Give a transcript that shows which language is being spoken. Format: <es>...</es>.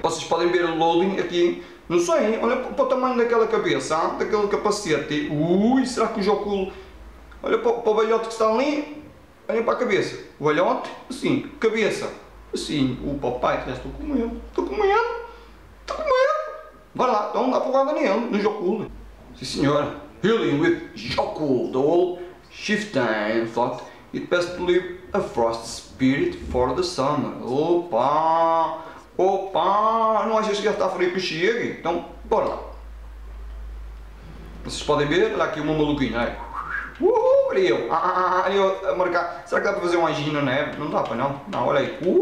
<pt>Vocês podem ver o loading aqui. Não sei, olha para o tamanho daquela cabeça, daquele capacete. Ui, será que o Jokul... olha para o velhote que está ali. Olha para a cabeça. O velhote, assim. Cabeça, assim. O papai, já estou com medo. Estou com medo. Estou com medo. Vai lá, então dá porrada nele, no Jokul. Sim, senhora.</pt> <en>Healing with Jokul, the old chieftain thought. It best to leave a frost spirit for the summer.</en> <pt>Opa! Opa! Não achas que já está frio que chegue? Então, bora lá. Vocês podem ver, olha aqui uma maluquinha. Olha eu. Olha eu a marcar. Será que dá para fazer um anjinho na neve? Não dá para não. Não, olha aí.</pt>